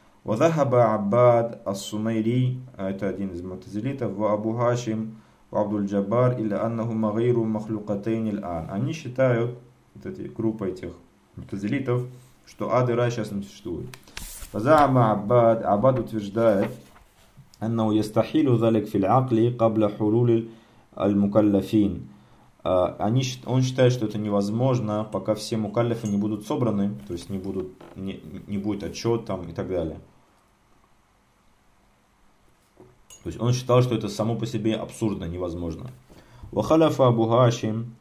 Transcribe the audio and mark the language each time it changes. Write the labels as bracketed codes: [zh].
[ar] وذهب عباد الصميري [ru] это один из мутазилитов, [ar] وابو هاشم وعبد الجبار الى انهما غير مخلوقتين الان. [ru] Они считают, вот эти группа этих мутазилитов, что ад и рай сейчас не существует. [ar] فزعم عباد, عباد [ru] утверждает, [ar] انه يستحيل ذلك في العقل قبل حلول المكلفين. [ru] Он считает, что это невозможно, пока все мукаллифы не будут собраны, то есть не будет отчет там и так далее. То есть он считал, что это само по себе абсурдно, невозможно. Вахалафа Абу Хашим.